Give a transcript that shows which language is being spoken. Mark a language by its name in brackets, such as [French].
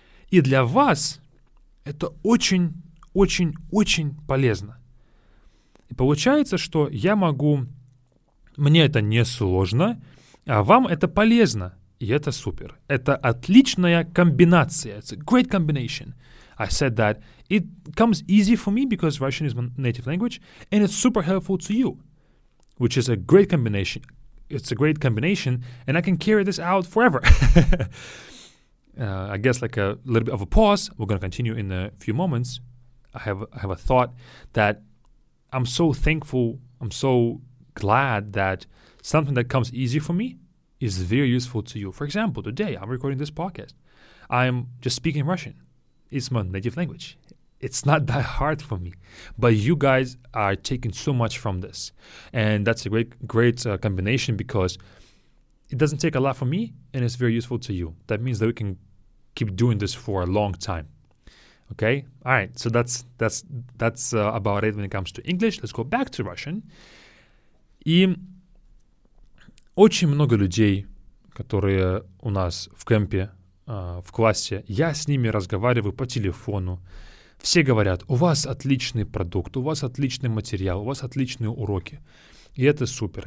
[Russian] И для вас это очень-очень-очень полезно. И получается, что я могу... Мне это не сложно, а вам это полезно. И это супер. Это отличная комбинация. [English] It's a great combination. I said that. It comes easy for me because Russian is my native language, and it's super helpful to you, which is a great combination. It's a great combination, and I can carry this out forever. I guess like a little bit of a pause. We're going to continue in a few moments. I have a thought that I'm so thankful. I'm so glad that something that comes easy for me is very useful to you. For example, today I'm recording this podcast. I'm just speaking Russian. It's my native language. It's not that hard for me. But you guys are taking so much from this. And that's a great combination because it doesn't take a lot for me and it's very useful to you. That means that we can keep doing this for a long time. Okay? All right. So that's about it when it comes to English. Let's go back to Russian. [Russian] И очень много людей, которые у нас в кемпе, в классе, я с ними разговариваю по телефону. Все говорят, у вас отличный продукт, у вас отличный материал, у вас отличные уроки. И это супер.